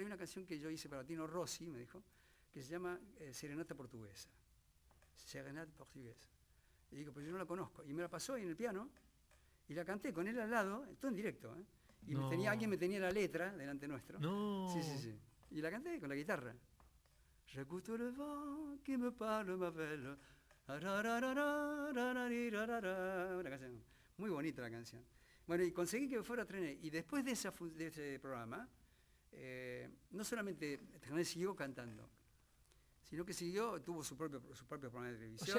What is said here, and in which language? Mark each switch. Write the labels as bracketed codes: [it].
[es] Hay una canción que yo hice para Tino Rossi, me dijo, que se llama Serenata Portuguesa. Serenata Portuguesa. Y digo, pues yo no la conozco. Y me la pasó ahí en el piano, y la canté con él al lado, todo en directo, ¿eh? Y no. Alguien me tenía la letra delante nuestro. No. Sí. Y la canté con la guitarra. [fr] J'écoute le vent qui me parle, ma belle. [es] Una canción, muy bonita la canción. Bueno, y conseguí que me fuera a Trené. Y después de ese programa, no solamente Trené siguió cantando, sino que siguió, tuvo su propio programa de televisión.